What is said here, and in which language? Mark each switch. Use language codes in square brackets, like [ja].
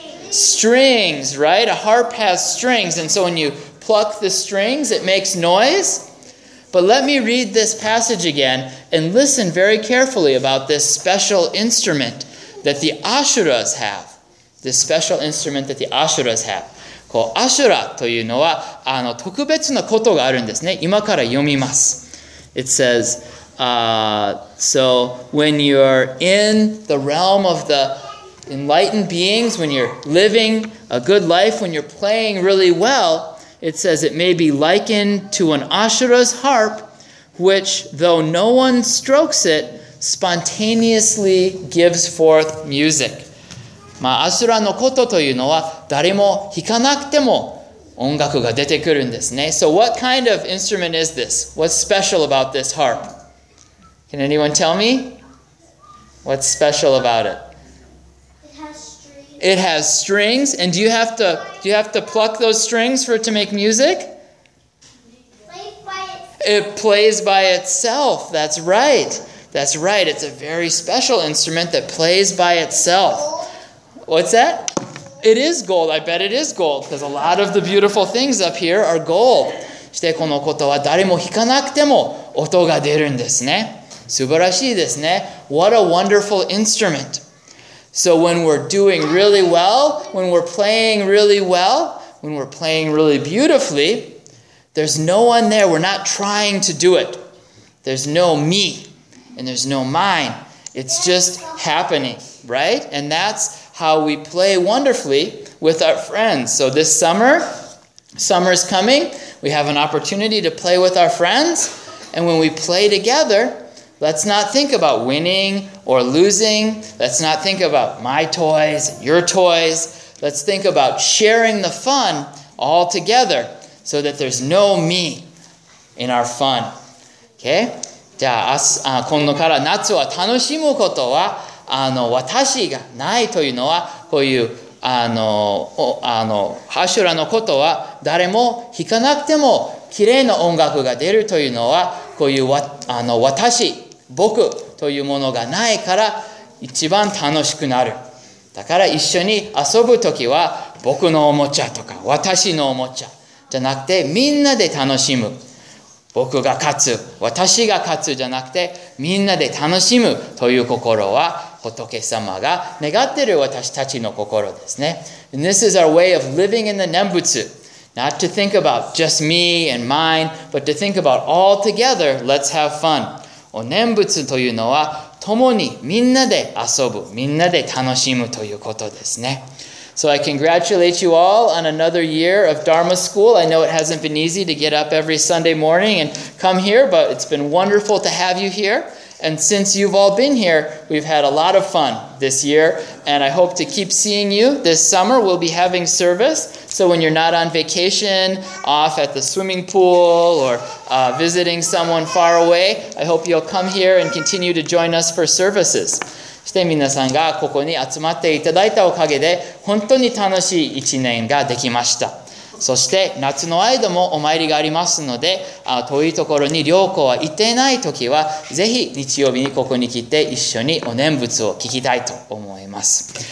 [en] Strings, right? A harp has strings. And so when you pluck the strings, it makes noise. But let me read this passage again and listen very carefully about this special instrument that the Asuras have. This special instrument that the Asuras have. [ja] こうアシュラというのは特別なことがあるんですね。今から読みます。 [en] It says, so when you're in the realm of the enlightened beings, when you're living a good life, when you're playing really well, it says it may be likened to an Asura's harp, which though no one strokes it, spontaneously gives forth music. [ja] まあ、アシュラのことというのは誰も弾かなくても音楽が出てくるんですね。 [en] So what kind of instrument is this? What's special about this harp? Can anyone tell me? What's special about it? It has strings. It has strings. And do you have to pluck those strings for it to make music? It plays by itself. That's right. That's right. It's a very special instrument that plays by itself. What's that? It is gold. I bet it is gold. Because a lot of the beautiful things up here are gold. [ja] してこのことは誰も弾かなくても音が出るんですね。素晴らしいですね。 [en] What a wonderful instrument. So when we're doing really well, when we're playing really well, when we're playing really beautifully, there's no one there. We're not trying to do it. There's no me. And there's no mine. It's just happening, right? And that's... how we play wonderfully with our friends. So this summer is coming. We have an opportunity to play with our friends. And when we play together, let's not think about winning or losing. Let's not think about my toys, your toys. Let's think about sharing the fun all together so that there's no me in our fun. Okay? [ja] じゃあ、今度から夏を楽しむことは私がないというのはこういうハシュラのことは誰も弾かなくても綺麗な音楽が出るというのはこういう私僕というものがないから一番楽しくなる。だから一緒に遊ぶときは僕のおもちゃとか私のおもちゃじゃなくてみんなで楽しむ。僕が勝つ、私が勝つじゃなくてみんなで楽しむという心は仏様が願っている私たちの心ですね。 [en] And this is our way of living in the Nembutsu. Not to think about just me and mine, but to think about all together, let's have fun. [ja] お念仏というのは共にみんなで遊ぶ、みんなで楽しむということですね。 [en] So I congratulate you all on another year of Dharma School. I know it hasn't been easy to get up every Sunday morning and come here, but it's been wonderful to have you here. And since you've all been here, we've had a lot of fun this year. And I hope to keep seeing you this summer. We'll be having service. So when you're not on vacation, off at the swimming pool, or visiting someone far away, I hope you'll come here and continue to join us for services. [ja] そして皆さんがここに集まっていただいたおかげで本当に楽しい一年ができました。そして夏の間もお参りがありますので、遠いところに良子は行っていない時は、ぜひ日曜日にここに来て一緒にお念仏を聞きたいと思います。